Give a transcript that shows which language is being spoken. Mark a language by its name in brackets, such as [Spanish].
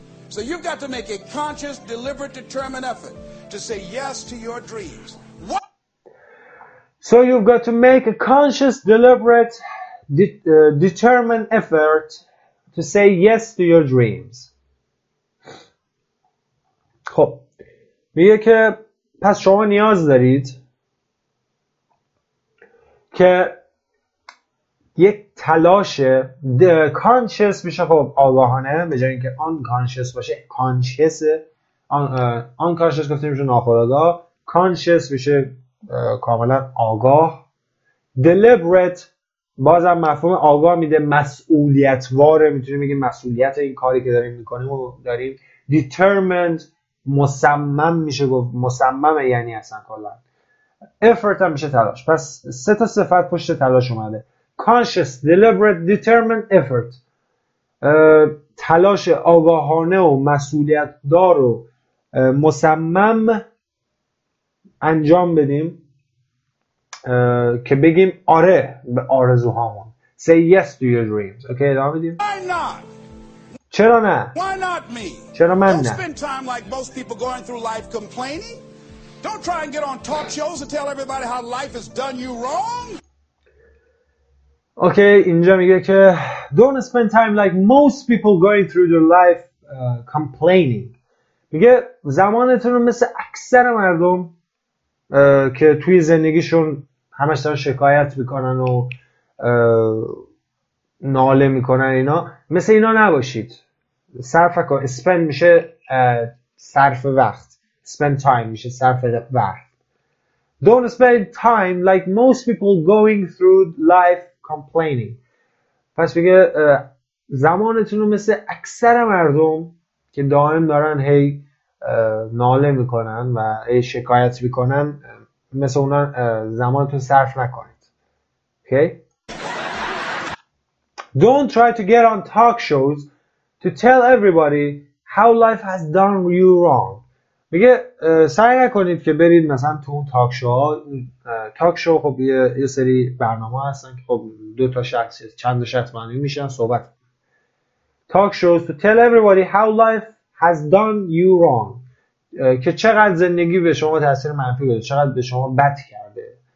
[English] So you've got to make a conscious, deliberate, determined effort to say yes to your dreams. So you've got to make a conscious, deliberate, determined effort to say yes to your dreams. [Persian] خب میگه که پس شما نیاز دارید که یک تلاش conscious میشه، خب آگاهانه به جای اینکه unconscious باشه، conscious unconscious گفتیم میشه ناخودآگاه، conscious میشه کاملا آگاه، deliberate بازم مفهوم آگاه میده، مسئولیتواره، میتونیم بگیم مسئولیت این کاری که داریم میکنیم و داریم، determined مصمم میشه گفت، مصممه یعنی اصلا کلا، effort هم میشه تلاش. پس سه تا صفت پشت تلاش اومده: [English] conscious, deliberate, determined, effort. [Persian] تلاش آگاهانه و مسئولیت دار و مصمم انجام بدیم که بگیم آره به آرزوهامون. [English] Say yes to your dreams. [Persian] Okay, ادامه بدیم. [English] Why not? [Persian] چرا نه؟ [English] Why not me? [Persian] چرا من نه؟ [English] Don't spend time like most people going through life complaining. Don't try and get on talk shows to tell everybody how life has done you wrong. Okay, [Persian] اینجا میگه که [English] don't spend time like most people going through their life complaining. [Persian] میگه زمانتون رو مثل اکثر مردم که توی زندگیشون همش دارن شکایت میکنن و ناله میکنن اینا، مثل اینا نباشید. صرف کن، spend میشه صرف وقت، [English] spend time [Persian] میشه صرف وقت. [English] Don't spend time like most people going through life complaining. [Persian] پس میگه زمانتون رو مثل اکثر مردم که دائم دارن هی ناله میکنن و شکایت میکنن، مثل اونا زمانتون صرف نکنید. [English] Okay? Don't try to get on talk shows to tell everybody how life has done you wrong. [Persian] میگه سعی نکنید که برید مثلا تو اون تاک شو ها، تاک شو خب یه سری برنامه هستن که خب دو تا شخص چند تا شخص معنی میشن صحبت، تاک شوز [English] to tell everybody how life has done you wrong، [Persian] که چقدر زندگی به شما تاثیر منفی گذاشته، چقدر به شما بد کرده.